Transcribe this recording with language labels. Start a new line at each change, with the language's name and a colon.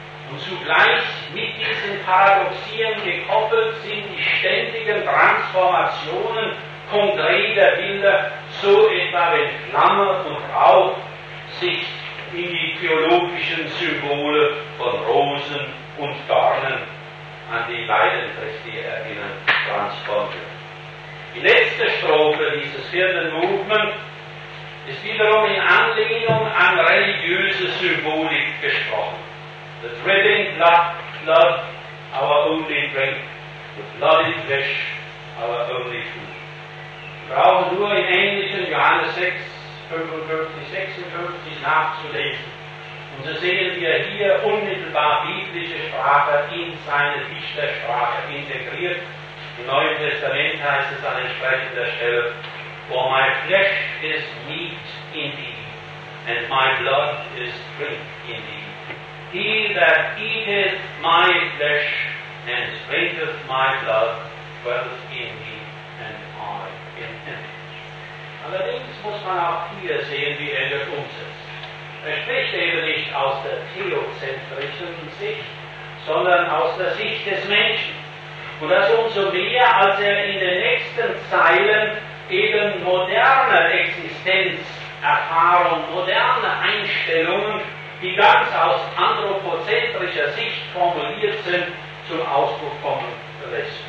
German: Und zugleich mit diesen Paradoxien gekoppelt sind die ständigen Transformationen konkreter Bilder, so etwa wenn Flamme und Rauch sich in die theologischen Symbole von Rosen und Dornen an die Leiden Christi erinnern, transformieren. Die letzte Strophe dieses vierten Movement ist wiederum in Anlehnung an religiöse Symbolik gesprochen.
English: The dripping blood, our only drink. The bloody flesh, our only food.
German: Wir brauchen nur im Englischen Johannes 6, 55, 56 nachzulesen. Und so sehen wir hier unmittelbar biblische Sprache in seine Dichtersprache integriert. Im Neuen Testament heißt es an entsprechender Stelle,
English: for my flesh is meat indeed, and my blood is drink indeed. He that eateth my flesh and drinketh my blood dwelleth in me, and I in him.
German: Allerdings muss man auch hier sehen, wie er das umsetzt. Er spricht eben nicht aus der theozentrischen Sicht, sondern aus der Sicht des Menschen. Und das umso mehr, als er in den nächsten Zeilen eben moderne Existenzerfahrungen, moderne Einstellungen, die ganz aus anthropozentrischer Sicht formuliert sind, zum Ausdruck kommen lässt.